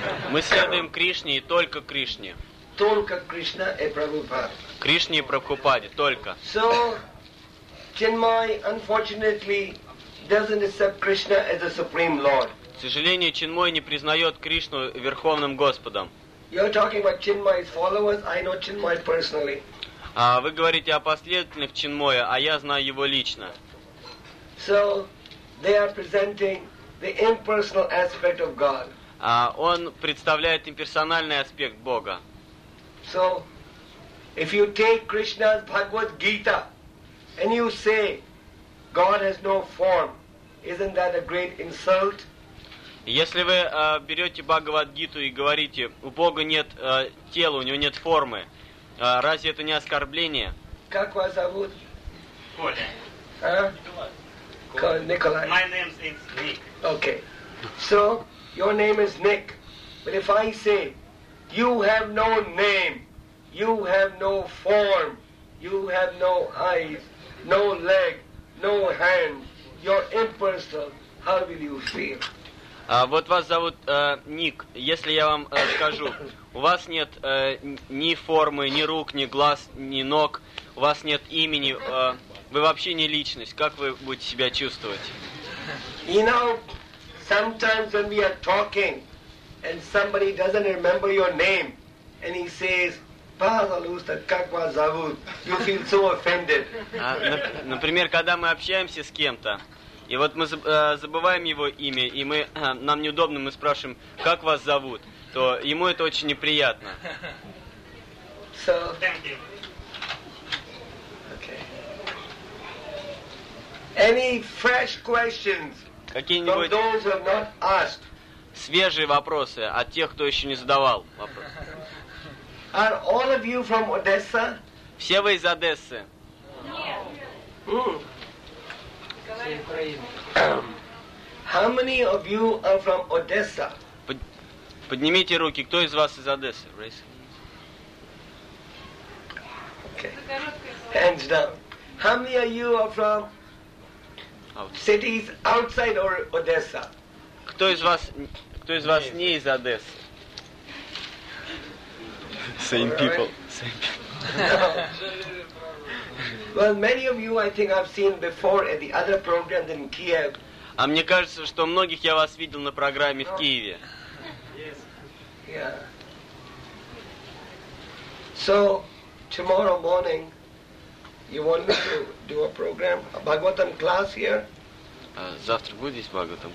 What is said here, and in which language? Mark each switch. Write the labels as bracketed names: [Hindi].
[Russian] Мы следуем Кришне и только Кришне. Только Кришна и Прабхупаде. Кришне и Прабхупаде, только. [English] So, Chinmay, unfortunately, doesn't accept Krishna as the Supreme Lord. [Russian] К сожалению, Чинмой не признает Кришну Верховным Господом. [English] You're talking about Chinmay's followers, I know Chinmay personally. [Russian] Вы говорите о последовательных Чинмоя, а я знаю его лично. [English] So, they are presenting the impersonal aspect of God. [Russian] Он представляет имперсональный аспект Бога. [English] So, if you take Krishna's Bhagavad Gita and you say God has no form, isn't that a great insult? [Russian] Если вы берете Бхагавад Гиту и говорите, у Бога нет тела, у него нет формы, разве это не оскорбление? Как вас зовут? Коля. Николай. [English] My name is Nick. Okay. So, your name is Nick. But if I say, you have no name, you have no form, you have no eyes, no leg, no hand, you're impersonal, how will you feel? [Russian] Вот вас зовут Ник. Если я вам скажу, у вас нет ни формы, ни рук, ни глаз, ни ног, у вас нет имени, вы вообще не личность. Как вы будете себя чувствовать? [English] You know, sometimes when we are talking and somebody doesn't remember your name and he says, [Russian] Пожалуйста, как вас зовут? [English] You feel so offended. [Russian] Например, когда мы общаемся с кем-то, и вот мы забываем его имя, и мы нам неудобно, мы спрашиваем, как вас зовут, то ему это очень неприятно. [English] So, thank you. Any fresh questions? [Russian] Какие-нибудь [English] from those who have not asked. [Russian] Свежие вопросы от тех, кто еще не задавал вопрос. [English] Are all of you from Odessa? [Russian] Все вы из Одессы? Нет. [English] How many of you are from Odessa? [Russian] Поднимите руки, кто из вас из Одессы? [English] Okay. Hands down. How many of you are from cities outside or Odessa? [Russian] Кто из вас не из Одессы? [English] Same people. Same people. Well, many of you, I think, I've seen before at the other programs in Kiev. [Russian] А мне кажется, что многих я вас видел на программе в Киеве. [English] Yes. Yeah. So tomorrow morning, you want me to do a program, a Bhagavatam class here? [Russian] Завтра будет здесь Бхагаватам?